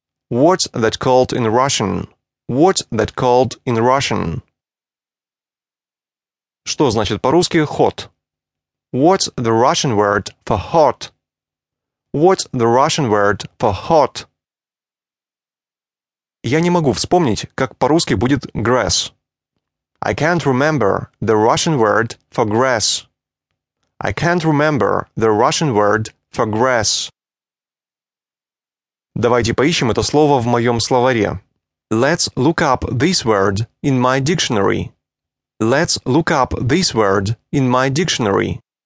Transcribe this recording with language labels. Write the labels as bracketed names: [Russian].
[English] What's that called in Russian? What's that called in Russian? [Russian] Что значит по-русски hot? [English] What's the Russian word for hot? What's the Russian word for hot? [Russian] Я не могу вспомнить, как по-русски будет grass. [English] I can't remember the Russian word for grass. I can't remember the Russian word for grass. [Russian] Давайте поищем это слово в моем словаре. [English] Let's look up this word in my dictionary. Let's look up this word in my dictionary.